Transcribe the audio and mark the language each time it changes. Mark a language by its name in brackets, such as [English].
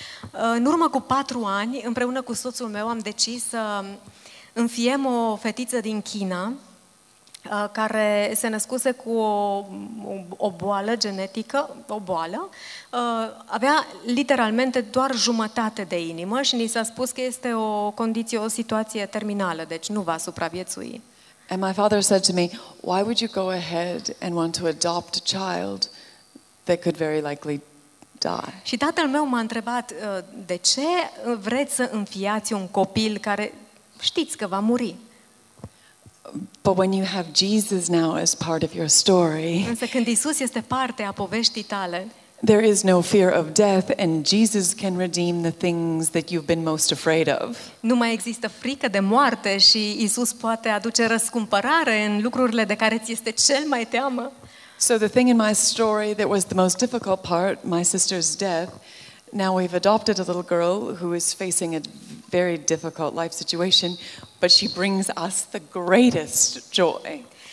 [Romanian] În urmă cu 4 ani, împreună cu soțul meu, am decis să înfiem o fetiță din China care se născuse cu o boală genetică, o boală, avea literalmente doar jumătate de inimă și ni s-a spus că este o condiție, o situație terminală, deci nu va supraviețui. [English] And my father said to me, why would you go ahead and want to adopt a child that could very likely die? [Romanian] Și tatăl meu m-a întrebat, de ce vreți să înfiați un copil care știți că va muri? [English] But when you have Jesus now as part of your story, [Romanian] însă când Isus este parte a poveștii tale, [English] there is no fear of death and Jesus can redeem the things that you've been most afraid of. [Romanian] Nu mai există frică de moarte și Isus poate aduce răscumpărare în lucrurile de care ți este cel mai teamă. [English] So the thing in my story that was the most difficult part, my sister's death, now we've adopted a little girl who is facing a very difficult life situation, but she brings us the greatest joy.